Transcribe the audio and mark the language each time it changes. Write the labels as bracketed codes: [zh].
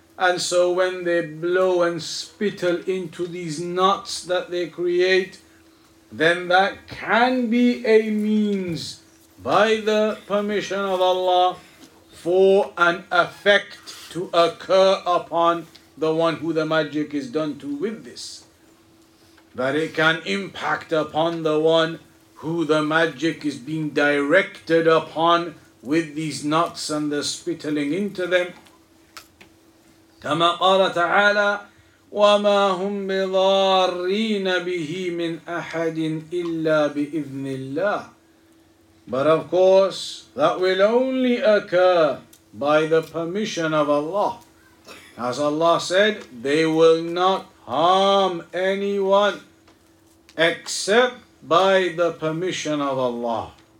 [en] And so when they blow and spittle into these knots that they create, then that can be a means, by the permission of Allah, for an effect to occur upon the one who the magic is done to with this. That it can impact upon the one who the magic is being directed upon with these knots and the spittling into them. [ar] كما قال تعالى وما هم بضارين به من أحد إلا بإذن الله. [en] But of course, that will only occur by the permission of Allah. As Allah said, they will not harm anyone except by the permission of Allah.